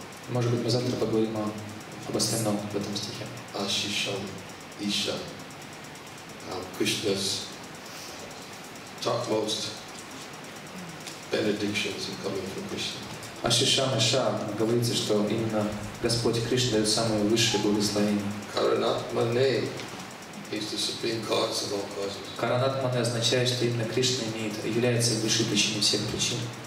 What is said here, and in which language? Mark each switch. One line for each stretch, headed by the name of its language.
Russian: Может быть, мы завтра поговорим об остальном в этом стихе.
Sanskrit: Ashisham, Isha.
English: Krishna's topmost benedictions are coming from Krishna.
Sanskrit: Ashisham, Isha.
Russian: Говорится, что именно Господь Кришна дает самые высшие благословения.
English: Karanatmane is the supreme cause of all causes.
Russian: Karanatmane означает, что именно Кришна является высшей причиной всех причин.